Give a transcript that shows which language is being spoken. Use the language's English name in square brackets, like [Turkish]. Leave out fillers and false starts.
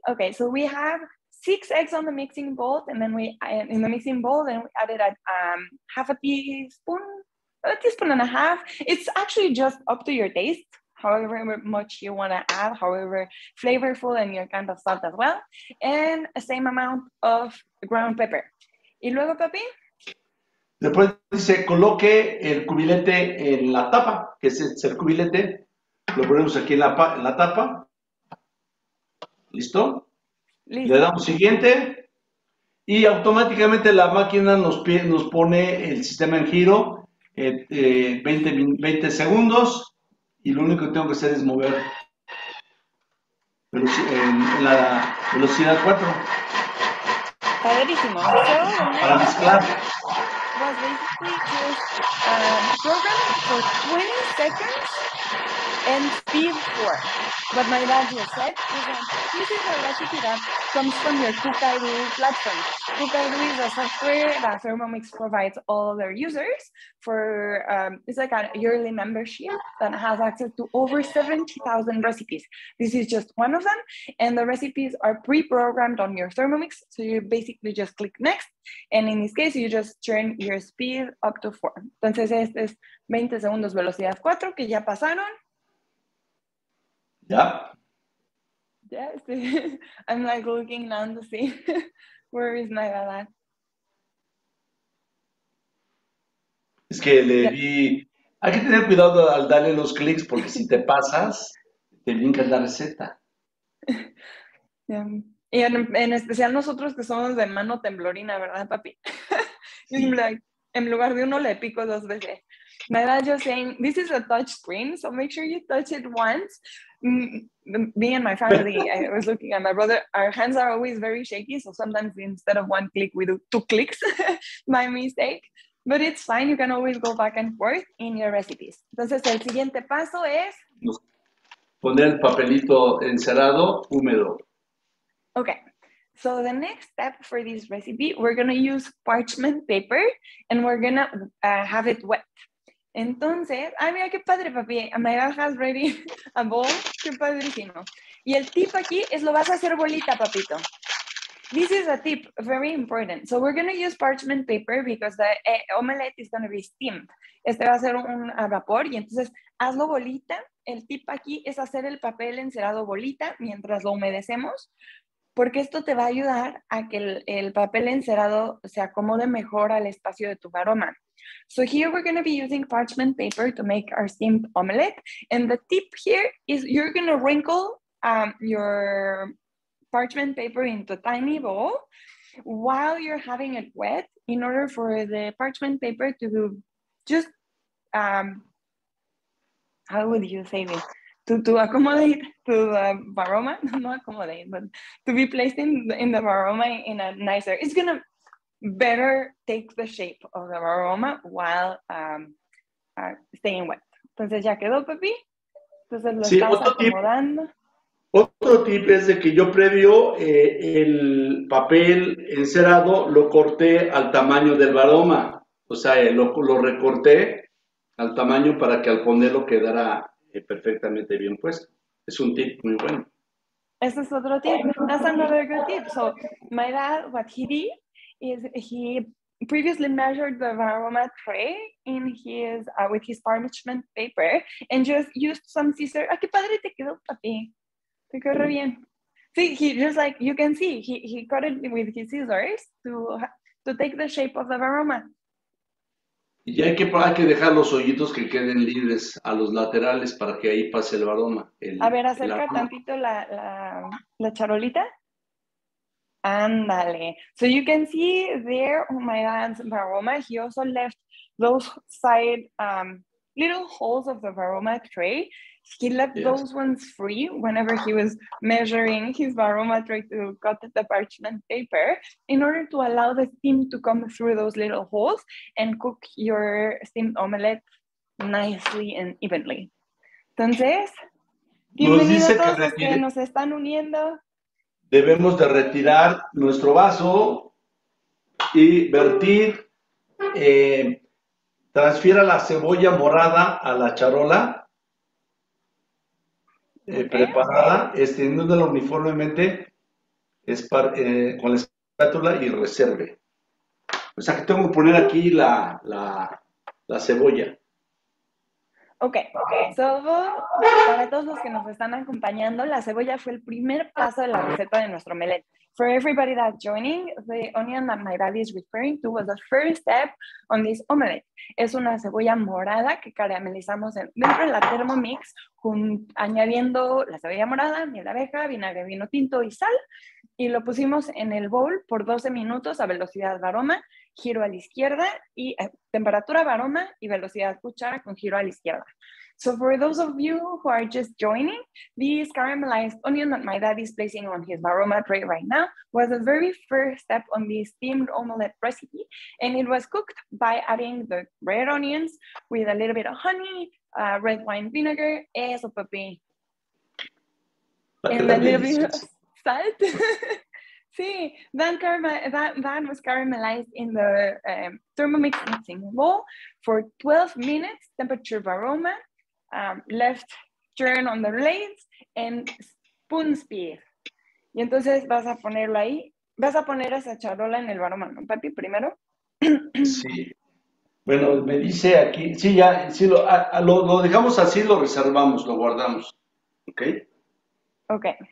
[English] Okay, so we have six eggs on the mixing bowl, and then in the mixing bowl, then we added half a teaspoon, a teaspoon and a half. It's actually just up to your taste, however much you want to add, however flavorful and your kind of salt as well, and the same amount of ground pepper. [Spanish] Y luego, papi. Después dice, coloque el cubilete en la tapa, que es el cubilete. Lo ponemos aquí en la tapa. ¿Listo? Le Listo. damos siguiente. Y automáticamente la máquina nos pone el sistema en giro, 20 segundos. Y lo único que tengo que hacer es mover en la velocidad 4 Padrísimo. [English] So, [Spanish] para mezclar. [English] was basically just programmed for 20 seconds and speed 4. But my dad just said, this is a recipe that comes from your Cookaloo platform. Cookaloo is a software that Thermomix provides all their users for, it's like a yearly membership that has access to over 70,000 recipes. This is just one of them. And the recipes are pre-programmed on your Thermomix. So you basically just click next. And in this case, you just turn your speed up to 4. [Spanish] Entonces, este es 20 segundos velocidad 4 que ya pasaron. [English] Yeah. Yes, I'm like looking down to see where is my dad. [Spanish] Es que le di. Hay que tener cuidado al darle los clics porque si te pasas, te brincas la receta. Y en especial nosotros que somos de mano temblorina, ¿verdad, papi? Sí. En lugar de uno le pico dos veces. [English] My dad just saying, this is a touch screen, so make sure you touch it once. Me and my family, I was looking at my brother, our hands are always very shaky, so sometimes instead of one click, we do two clicks. My mistake. But it's fine, you can always go back and forth in your recipes. [Spanish] Entonces, el siguiente paso es. Poner el papelito encerado, húmedo. [English] Okay. So the next step for this recipe, we're going to use parchment paper and we're going to have it wet. [Spanish] Entonces, ay, mira qué padre, papi. [English] My dad has ready a bowl. [Spanish] Qué padrísimo. Y el tip aquí es lo vas a hacer bolita, papito. [English] This is a tip, very important. So we're going to use parchment paper because the omelette is going to be steamed. [Spanish] Este va a ser un a vapor y entonces hazlo bolita. El tip aquí es hacer el papel encerado bolita mientras lo humedecemos, porque esto te va a ayudar a que el papel encerado se acomode mejor al espacio de tu aroma. [English] So here we're going to be using parchment paper to make our steamed omelette. And the tip here is you're going to wrinkle your parchment paper into a tiny bowl while you're having it wet in order for the parchment paper to just, how would you say this? To accommodate to the aroma, not accommodate, but to be placed in the aroma in a nicer, it's going to better take the shape of the aroma while staying wet. [Spanish] Entonces ya quedó, papi. Entonces lo Sí, estás acomodando. otro tip es de que yo previo el papel encerado lo corté al tamaño del aroma, o sea, lo recorté al tamaño para que al ponerlo quedara perfectamente bien puesto. Es un tip muy bueno. Ese es otro tip. [English] That's another good tip. So, my dad, what he did is he previously measured the aroma tray in his with his parchment paper and just used some scissors. [Spanish] ¡Ah, qué padre te quedó, papi! Te quedó bien. Sí, [English] he just like you can see, he cut it with his scissors to take the shape of the aroma. [Spanish] Y hay que dejar los hoyitos que queden libres a los laterales para que ahí pase el aroma, A ver, el acerca aroma. tantito la charolita. Ándale. [English] So you can see there on my dad's varoma, he also left those side little holes of the varoma tray. He left Yes. those ones free whenever he was measuring his varoma tray to cut the parchment paper in order to allow the steam to come through those little holes and cook your steamed omelette nicely and evenly. [Spanish] Entonces, bienvenidos a todos los que nos están uniendo. Debemos de retirar nuestro vaso y vertir, transfiera la cebolla morada a la charola. Preparada, extendiéndola uniformemente con la espátula y reserve. O sea que tengo que poner aquí la cebolla. Ok, para todos los que nos están acompañando, la cebolla fue el primer paso de la receta de nuestro omelette. For everybody that's joining, the onion that my daddy is referring to was the first step on this omelette. Es una cebolla morada que caramelizamos dentro de la Thermomix, añadiendo la cebolla morada, miel de abeja, vinagre, vino tinto y sal, y lo pusimos en el bowl por 12 minutos a velocidad varoma, giro a la izquierda, y temperatura varoma y velocidad cuchara con giro a la izquierda. [English] So for those of you who are just joining, this caramelized onion that my dad is placing on his Varoma tray right now was the very first step on this steamed omelette recipe, and it was cooked by adding the red onions with a little bit of honey, red wine vinegar, [Spanish] eso papi, [English] and a little bit of salt. [Spanish] Sí, [English] that was caramelized in the Thermomix mixing bowl for 12 minutes, temperature varoma, left turn on the blades, and spoon speed. [Spanish] Y entonces vas a ponerlo ahí, vas a poner esa charola en el varoma, ¿no, papi, primero? Sí, bueno, me dice aquí, sí, ya, sí, lo dejamos así, lo reservamos, lo guardamos, ¿ok? Ok.